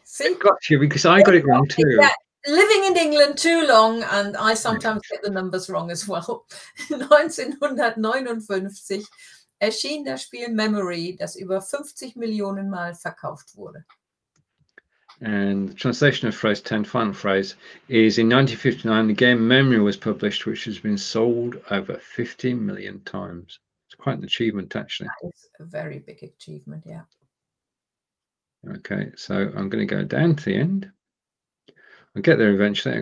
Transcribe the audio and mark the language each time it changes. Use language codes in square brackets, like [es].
[en] See? Got you, because I got it wrong too. Yeah, living in England too long, and I sometimes get the numbers wrong as well. [de] 1959 erschien das Spiel Memory, das über 50 Millionen Mal verkauft wurde. [en] And the translation of phrase 10, final phrase, is in 1959, the game Memory was published, which has been sold over 50 million times. It's quite an achievement, actually. That is a very big achievement, yeah. Okay, so I'm going to go down to the end. I'll get there eventually.